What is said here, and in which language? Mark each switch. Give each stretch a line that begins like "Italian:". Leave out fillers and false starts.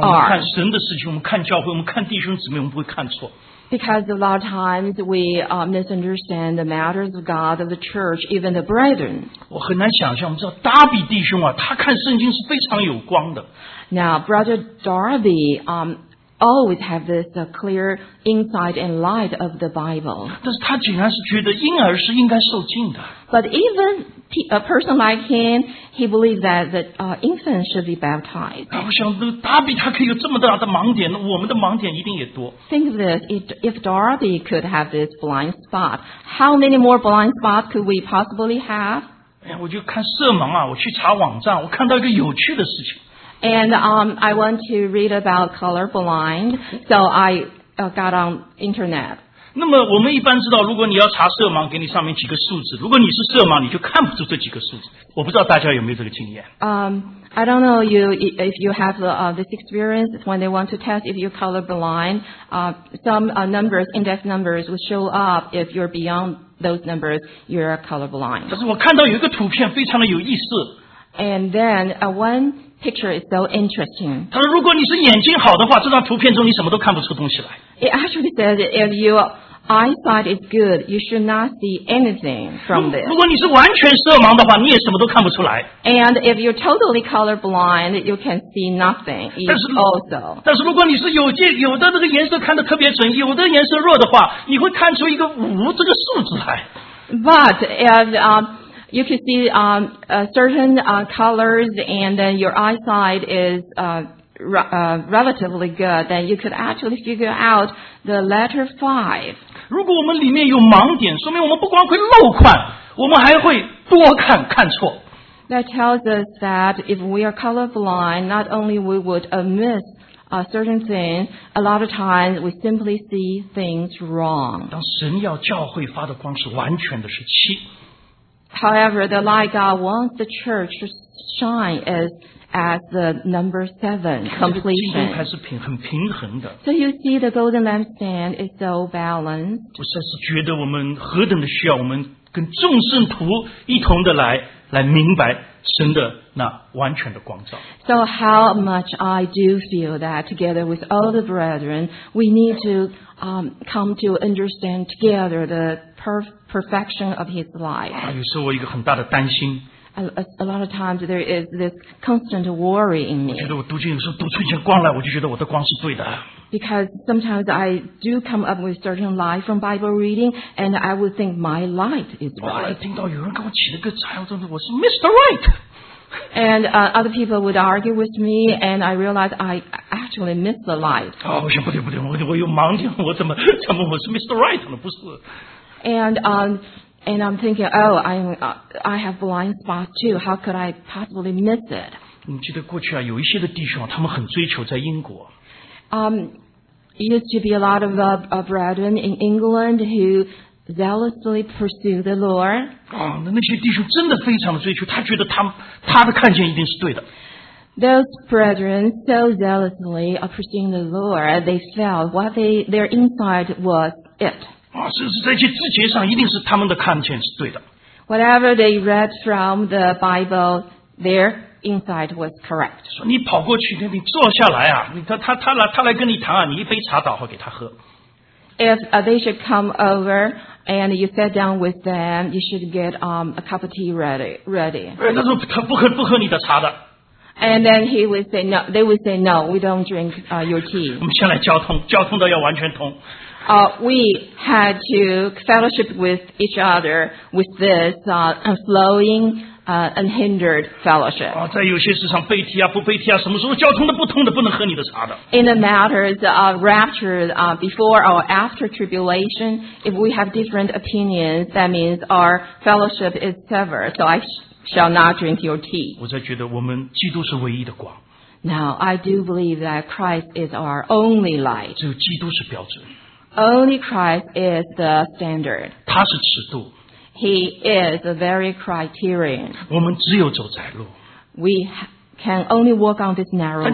Chinese: 让我们看神的事情，我们看教会，我们看弟兄姊妹，我们不会看错。
English: Because a lot of times we misunderstand the matters of God, of the church, even the brethren.
Chinese: 我很难想象，我们知道达比弟兄啊，他看圣经是非常有光的。
English: Now, Brother Darby always have this clear insight and light of the Bible.
Chinese: 但是他竟然是觉得婴儿是应该受浸的。
English: But even a person like him, he believes that the infant should be baptized.
Chinese: 我想达比他可以有这么大的盲点，我们的盲点一定也多。
English: Think of this, if Darby could have this blind spot, how many more blind spots could we possibly have?
Chinese: 哎呀，我就看色盲啊，我去查网站，我看到一个有趣的事情。
English: And I want to read about colorblind, so I got on internet.
Chinese: 那么我们一般知道，如果你要查色盲，给你上面几个数字。如果你是色盲，你就看不出这几个数字。我不知道大家有没有这个经验。
English: I don't know you if you have this experience when they want to test if you're colorblind. Some numbers, index numbers, will show up if you're beyond those numbers, you're colorblind.
Chinese: 但是我看到有一个图片非常的有意思。
English: And then one picture is so interesting.
Chinese: 他说如果你是眼睛好的话，这张图片中你什么都看不出东西来。
English: It actually says if your eyesight is good, you should not see anything from this.
Chinese: 如果你是完全色盲的话，你也什么都看不出来。
English: And if you're totally colorblind, you can see nothing.
Chinese: 但是如果你是有的那个颜色看得特别准，有的颜色弱的话，你会看出一个五这个数字来。
English: But if you can see certain colors, and then your eyesight is relatively good, then you could actually figure out the letter 5.
Chinese: 如果我们里面有盲点，说明我们不光会漏看，我们还会多看，看错。
English: That tells us that if we are colorblind, not only we would miss certain things, a lot of times we simply see things wrong.
Chinese: 当神要教会发的光是完全的，是七。
English: However, the light God wants the church to shine is at the number 7, completion. So you see the golden lampstand is so balanced. So how much I do feel that together with all the brethren, we need to come to understand together the perfection of his life.
Chinese: 有时候我一个很大的担心。
English: A lot of times there is this constant worry in me.
Chinese: 我觉得我读经有时候读出一些光来，我就觉得我的光是对的。
English: Because sometimes I do come up with certain light from Bible reading, and I would think my light is right.
Chinese: 我听到有人给我起了个彩虹，我是 Mr.
English: Right. And other people would argue with me, and I realized I actually missed the light.
Chinese: 我想不对，我有盲点，我怎么我是 Mr. Right 呢？不是。
English: And I'm thinking, oh, I have blind spots too. How could I possibly miss it?
Chinese: 你记得过去啊，有一些的弟兄啊，他们很追求在英国。
English: Used to be a lot of brethren in England who zealously pursue the Lord.
Chinese: 那些弟兄真的非常的追求，他觉得他的看见一定是对的。
English: Those brethren so zealously are pursuing the Lord, they felt what their insight was it.
Chinese: 啊，是在这字节上一定是他们的看见是对的。
English: Whatever they read from the Bible, their insight was correct.
Chinese: 说你跑过去，你坐下来啊，他来跟你谈啊，你一杯茶倒好给他喝。
English: If they should come over and you sat down with them, you should get a cup of tea ready.
Chinese: 他说他不喝你的茶的。
English: And then he would say no. They would say no. We don't drink your tea.
Chinese: 我们先来交通，交通都要完全通。
English: We had to fellowship with each other with this flowing, unhindered fellowship.
Chinese: 在有些事上背题啊，不背题啊，什么时候交通的不通的，不能喝你的茶的。
English: In the matters of rapture, before or after tribulation, if we have different opinions, that means our fellowship is severed. So I shall not drink your tea.
Chinese: 我在觉得我们基督是唯一的光。
English: Now I do believe that Christ is our only light.
Chinese: 只有基督是标准。
English: Only Christ is the standard.
Chinese: 他是尺度。
English: He is the very criterion.
Chinese: 我们只有走窄路。
English: We can only walk on this narrow way.